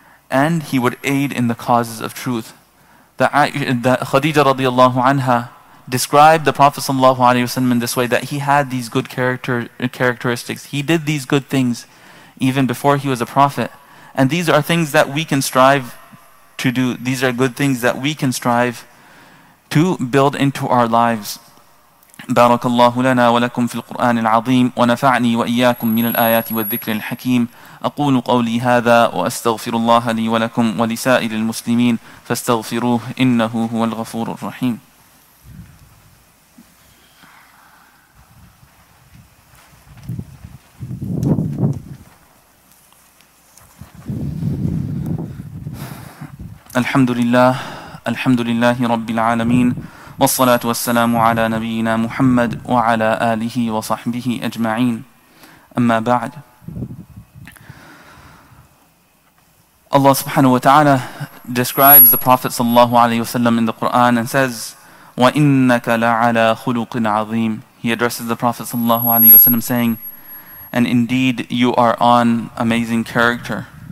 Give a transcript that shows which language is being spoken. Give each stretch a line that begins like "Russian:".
English: And he would aid in the causes of truth. That Khadija radiallahu anha described the Prophet sallallahu alaihi wasallam in this way, that he had these good characteristics. He did these good things even before he was a prophet. And these are things that we can strive to do. These are good things that we can strive to build into our lives.
Arabic: بارك الله لنا ولكم في القرآن العظيم ونفعني وإياكم من الآيات والذكر الحكيم أقول قولي هذا وأستغفر الله لي ولكم ولسائر المسلمين فاستغفروه إنه هو الغفور الرحيم. الحمد لله الحمد لله رب العالمين والصلاة والسلام على نبينا محمد وعلى آله وصحبه أجمعين أما بعد.
English: Allah subhanahu wa ta'ala describes the Prophet sallallahu alayhi wa sallam in the Quran and says,
Arabic: وَإِنَّكَ لَعَلَى خُلُقٍ عَظِيمٍ.
English: He addresses the Prophet sallallahu alayhi wa sallam saying, and indeed you are on amazing character.